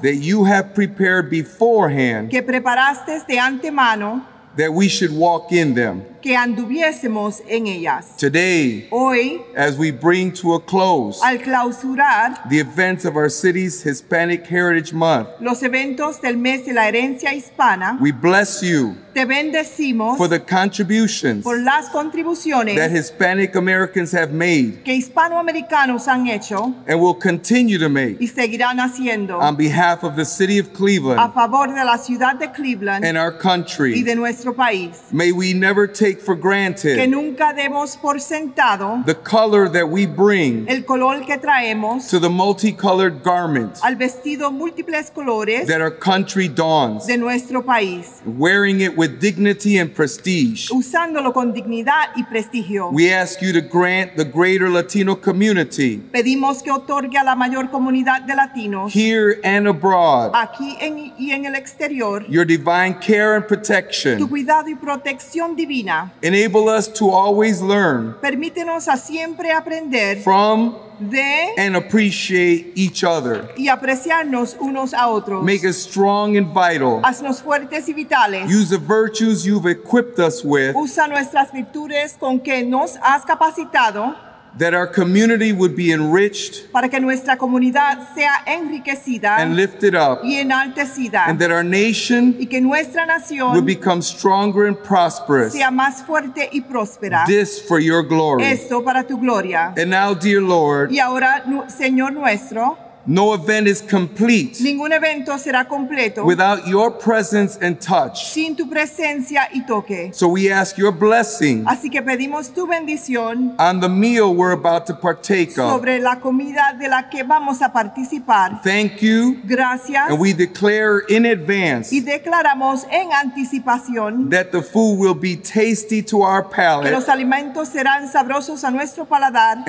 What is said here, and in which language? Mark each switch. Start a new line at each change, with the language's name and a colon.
English: that you have prepared beforehand,
Spanish: que preparaste de antemano,
English: that we should walk in them,
Spanish: que anduviésemos en ellas.
English: Today,
Spanish: hoy,
English: as we bring to a close
Spanish: al clausurar
English: the events of our city's Hispanic Heritage Month,
Spanish: los eventos del mes de la herencia hispana,
English: we bless you.
Spanish: Te bendecimos
English: for the contributions,
Spanish: por las contribuciones
English: that Hispanic Americans have made,
Spanish: que hispanoamericanos han hecho,
English: and will continue to make,
Spanish: y seguirán haciendo,
English: on behalf of the city of Cleveland,
Spanish: a favor de la ciudad de Cleveland,
English: and our country,
Spanish: y de nuestro país.
English: May we never take for granted,
Spanish: que nunca demos por sentado,
English: the color that we bring,
Spanish: el color que traemos,
English: to the multicolored garment,
Spanish: al vestido múltiples colores,
English: that our country dons,
Spanish: de nuestro país,
English: wearing it with dignity and prestige.
Spanish: Usándolo con dignidad y prestigio.
English: We ask you to grant the greater Latino community.
Spanish: Pedimos que otorgue a la mayor comunidad de latinos.
English: Here and abroad.
Spanish: Aquí en, y en el exterior.
English: Your divine care and protection.
Spanish: Tu cuidado y protección divina.
English: Enable us to always learn.
Spanish: Permítenos a siempre aprender.
English: From
Spanish: de
English: and appreciate each other.
Spanish: Y apreciarnos unos a otros.
English: Make us strong and vital.
Spanish: Haznos fuertes y vitales.
English: Use the virtues you've equipped us with.
Spanish: Usa nuestras virtudes con que nos has capacitado.
English: That our community would be enriched.
Spanish: Para que nuestra comunidad sea enriquecida.
English: And lifted up.
Spanish: Y enaltecida.
English: And that our nation.
Spanish: Y que nuestra nación.
English: Would become stronger and prosperous.
Spanish: Sea más fuerte y próspera.
English: This for your glory.
Spanish: Esto para tu gloria.
English: And now, dear Lord.
Spanish: Y ahora, Señor nuestro.
English: No event is complete.
Spanish: Ningún evento será completo.
English: Without your presence and touch.
Spanish: Sin tu presencia y toque.
English: So we ask your blessing.
Spanish: Así que pedimos tu bendición.
English: On the meal we're about to partake of.
Spanish: Sobre la comida de la que vamos a participar.
English: Thank you.
Spanish: Gracias.
English: And we declare in advance.
Spanish: Y declaramos en anticipación.
English: That the food will be tasty to our palate.
Spanish: Que los alimentos serán sabrosos a nuestro paladar.